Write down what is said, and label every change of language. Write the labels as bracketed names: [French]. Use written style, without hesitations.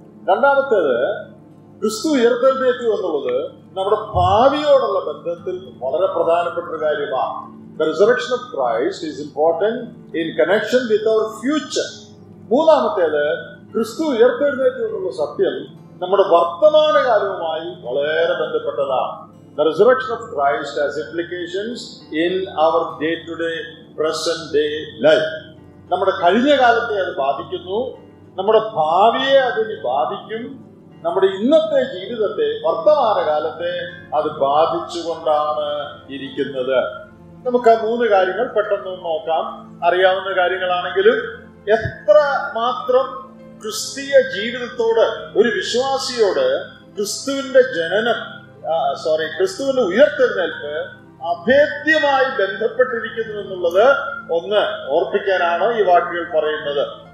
[Malayalam] രണ്ടാമത്തേത്, ക്രിസ്തു ഉയർത്തെഴുന്നേറ്റു എന്നുള്ളത് നമ്മുടെ ഭാവിയോടുള്ള ബന്ധത്തിൽ വളരെ പ്രധാനപ്പെട്ട ഒരു കാര്യമാണ്. [English] The resurrection of Christ is important in connection with our future. [Malayalam] മൂന്നാമത്തേത്, ക്രിസ്തു ഉയർത്തെഴുന്നേറ്റു എന്നുള്ള സത്യം നമ്മുടെ വർത്തമാനകാലവുമായി വളരെ ബന്ധപ്പെട്ടതാണ്. [English] The resurrection of Christ has implications in our day-to-day, present-day life. [Malayalam] നമ്മുടെ കഴിഞ്ഞ കാലത്തെ അത് ബാധിക്കുന്നു, നമ്മുടെ ഭാവിയെ അതിന് ബാധിക്കും, നമ്മുടെ ഇന്നത്തെ ജീവിതത്തെ, വർത്തമാനകാലത്തെ അത് ബാധിച്ചുകൊണ്ടാണ് ഇരിക്കുന്നത്. നമുക്ക് ആ മൂന്ന് കാര്യങ്ങൾ പെട്ടെന്ന് നോക്കാം. അറിയാവുന്ന കാര്യങ്ങളാണെങ്കിലും എത്ര മാത്രം ക്രിസ്തീയ ജീവിതത്തോട്, ഒരു വിശ്വാസിയോട് ക്രിസ്തുവിന്റെ ജനനം, സോറി, ക്രിസ്തുവിന്റെ ഉയർത്തെഴുന്നേൽപ്പ് അഭേദ്യമായി ബന്ധപ്പെട്ടിരിക്കുന്നു എന്നുള്ളത് ഒന്ന് ഓർപ്പിക്കാനാണ് ഈ വാക്കുകൾ പറയുന്നത്.